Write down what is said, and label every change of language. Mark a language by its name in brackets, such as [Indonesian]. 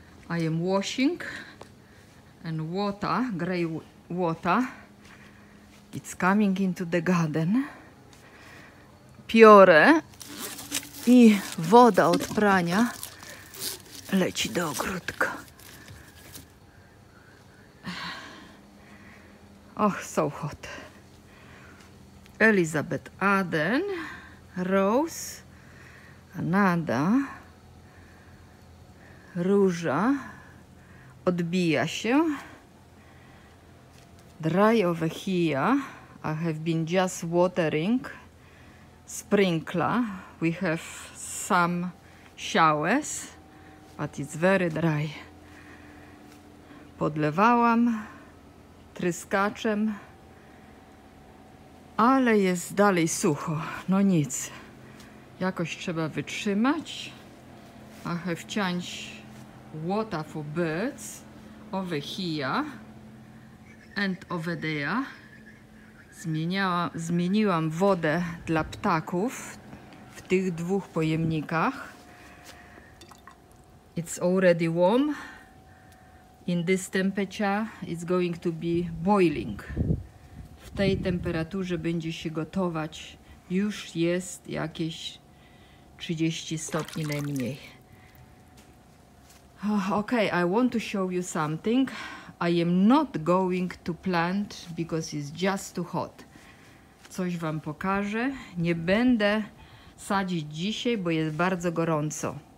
[English] I am washing and water, grey water. It's coming into the garden. [Polish] Piorę i woda od prania leci do ogródka. [English] Oh, so hot. Elizabeth Aden, Rose, Nada, [Polish] Róża odbija się. [English] Dry over here. I have been just watering sprinkler. We have some showers, but it's very dry. [Polish] Podlewałam tryskaczem, ale jest dalej sucho. No nic. Jakoś trzeba wytrzymać. [English] I have changed water for birds over here and over there. [Polish] Zmieniłam wodę dla ptaków w tych dwóch pojemnikach. [English] It's already warm. In this temperature it's going to be boiling. [Polish] W tej temperaturze będzie się gotować. Już jest jakieś 30 stopni najmniej. [English] Okay, I want to show you something. I am not going to plant because it's just too hot. [Polish] Coś wam pokażę. Nie będę sadzić dzisiaj, bo jest bardzo gorąco.